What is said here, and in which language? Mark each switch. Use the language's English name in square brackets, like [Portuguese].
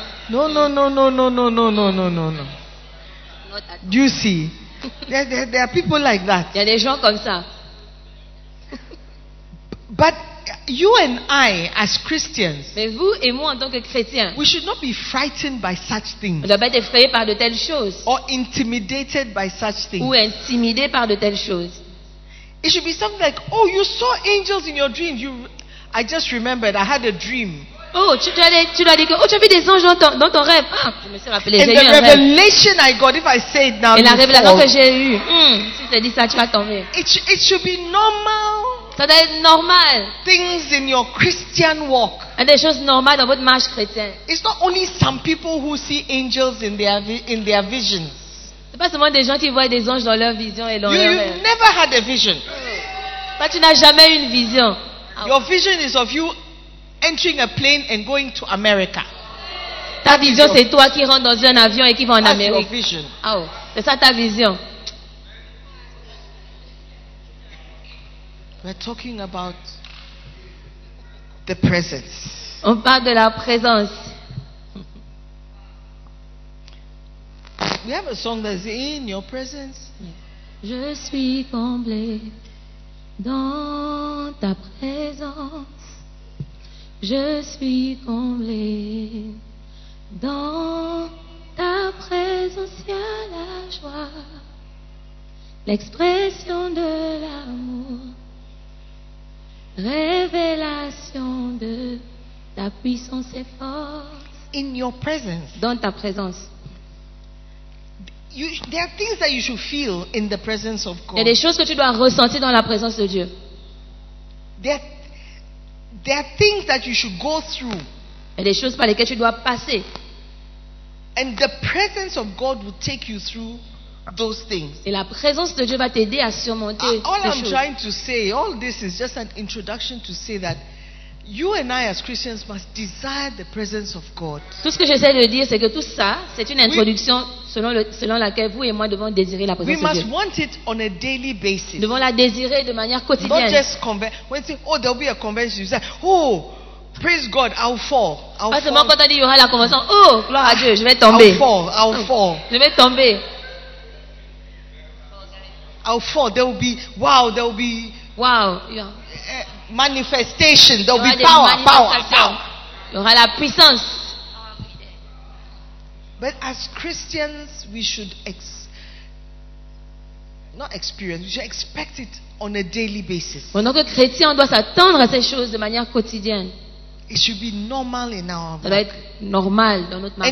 [English] No. You see, there are people like that. [French] Il y a des gens comme ça. [English] But you and I, as Christians, [French] mais vous et moi en tant que chrétiens, [English] we should not be frightened by such things. [French] On doit pas être effrayé par de telles choses. [English] Or intimidated by such things. [French] Ou intimidé par de telles choses. [English] It should be something like, oh, you saw angels in your dream. I just remembered I had a dream. [French] Oh, tu as dit que, oh, tu as vu des anges dans ton rêve. Ah, je me suis rappelé. [English] And the revelation I got, if I say it now. [French] Et la révélation que j'ai eue. Si tu as dit ça, tu vas tomber. [English] It should be normal. [French] Ça doit être normal. [English] Things in your Christian walk. [French] Et des choses normales dans votre marche chrétienne. [English] It's not only some people who see angels in their visions. [French] Pas seulement des gens qui voient des anges dans leur vision et dans leur rêve. [English] You never had a vision. [French] Mais tu n'as jamais une vision. [English] Your vision is of you entering a plane and going to America. [French] Ta vision, c'est toi qui rentres dans un avion et qui va en Amérique. [English] That's your vision. [French] Oh, c'est ça ta vision. [English] We're talking about the presence. [French] On parle de la présence. [English] We have a song that's in your presence. [French] Je suis comblé dans ta présence. Je suis comblé dans ta présence. Y a la joie, l'expression de l'amour, révélation de ta puissance et force. [English] In your presence. [French] Dans ta présence. [English] There are things that you should feel in the presence of God. [French] Il y a des choses que tu dois ressentir dans la présence de Dieu. [English] There are things that you should go through. [French] Il y a des choses par lesquelles tu dois passer. [English] And the presence of God will take you through those things. [French] Et la présence de Dieu va t'aider à surmonter ces choses. [English] All I'm trying to say, all this is just an introduction to say that you and I as Christians must desire the presence of God. [French] Tout ce que j'essaie de dire, c'est que tout ça, c'est une introduction selon laquelle vous et moi devons désirer la présence de Dieu. [English] We must want it on a daily basis. [French] Nous devons la désirer de manière quotidienne. [English] Not just when you say, oh, there'll be a convention. You say, oh, praise God, I'll fall. [French] Pas seulement quand on dit il y aura la convention. Oh, gloire à Dieu, je vais tomber. [English] I'll fall. [French] Je vais tomber. [English] I'll fall. There will be. Wow. Yeah. Manifestation, there will be power. [French] Il y aura la puissance. [English] But as Christians, we should expect it on a daily basis. [French] En tant que chrétien, on doit s'attendre à ces choses de manière quotidienne. [English] It should be normal in our [French] life. Ça doit être normal dans notre marche.